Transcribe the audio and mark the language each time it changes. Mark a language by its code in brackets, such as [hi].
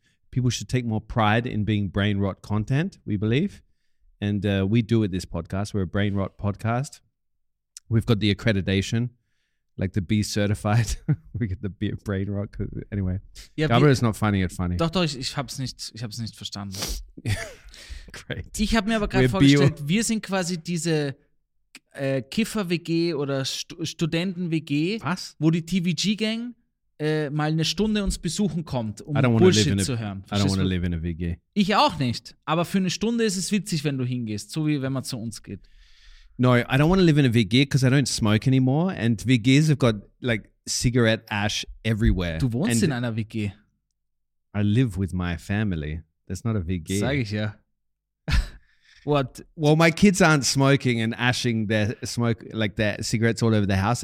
[en] People should take more pride in being brain rot content, we believe. And we do it this podcast. We're a brain rot podcast. We've got the accreditation. Like the B certified, we get the B brain rock. Anyway, yeah, Gabriel is not finding it funny. [de] Doch, ich hab's nicht verstanden. [en] Great. [de] Ich habe mir aber gerade vorgestellt, wir sind quasi diese Kiffer-WG oder Studenten-WG, was? Wo die TVG-Gang mal eine Stunde uns besuchen kommt, um Bullshit zu hören. [en] I don't want to live in a WG. [de] Ich auch nicht, aber für eine Stunde ist es witzig, wenn du hingehst, so wie wenn man zu uns geht. [en] No, I don't want to live in a VG because I don't smoke anymore. And VGs have got like cigarette ash everywhere. [de] Du wohnst [en] and [de] in einer VG. [en] I live with my family. That's not a VG. [de] Sag ich ja. [en] What? Well, my kids aren't smoking and ashing their smoke, like their cigarettes all over the house.